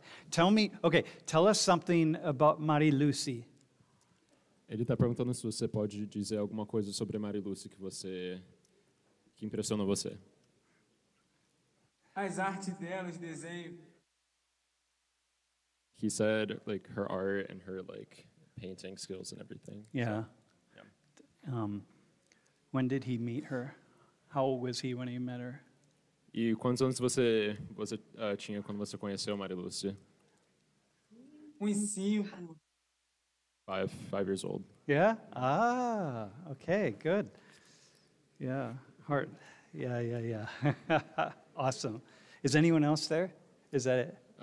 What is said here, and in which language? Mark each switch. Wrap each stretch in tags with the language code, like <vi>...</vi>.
<en>Tell me, okay, tell us something about Mari Lucy.</en> <pt>Ele está perguntando se você pode dizer alguma coisa sobre Mari Lucy que impressionou você. As artes dela, os desenhos.</pt> <en>He said, like, her art and her, like, painting skills and everything. Yeah. So, yeah. When did he meet her? How old was he when he met her?</en> <pt>E quantos anos você tinha quando você conheceu Mari Lucy? Cinco.</pt> <en>Five years old. Yeah? Ah, okay, good. Yeah, heart. Yeah. Awesome. Is anyone else there? Is that it?</en>